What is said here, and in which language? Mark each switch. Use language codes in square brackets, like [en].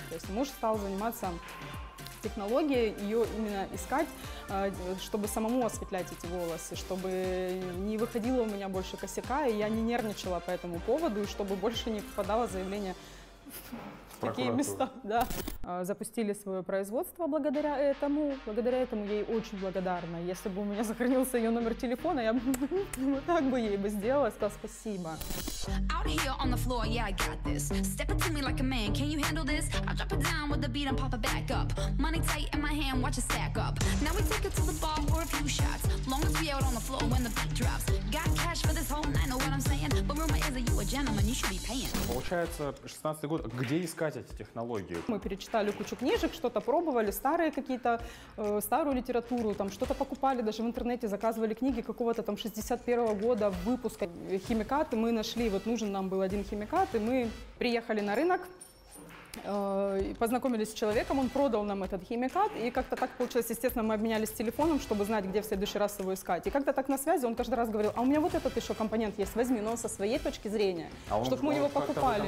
[ru] То есть муж стал заниматься технологией, ее именно искать, чтобы самому осветлять эти волосы, чтобы не выходило у меня больше косяка, и я не нервничала по этому поводу, и чтобы больше не попадало заявление в такие места, да. Запустили свое производство благодаря этому. Благодаря этому я ей очень благодарна. Если бы у меня сохранился ее номер телефона, я бы так бы ей бы сделала. Сказала спасибо. [en] Out here on the floor, yeah, I got this. Step up to me like a man, can you handle this? I'll drop it down with the beat and pop it back up. Money tight in my hand, watch it stack up. Now we take it to the bar for a few shots. Long as we out on the floor when the beat drops. Got cash for this whole night, know what I'm saying? But rumor is that you a gentleman, you should be paying. [ru] Получается, 16-й год, где искать эти технологии? Мы перечитали кучу книжек, что-то пробовали, старые какие-то, старую литературу, там что-то покупали, даже в интернете заказывали книги какого-то там 61-го года выпуска. Химикаты мы нашли. Вот нужен нам был один химикат, и мы приехали на рынок, познакомились с человеком, он продал нам этот химикат, и как-то так получилось, естественно, мы обменялись телефоном, чтобы знать, где в следующий раз его искать. И как-то так на связи, он каждый раз говорил, а у меня вот этот еще компонент есть, возьми, но со своей точки зрения, чтобы мы его покупали.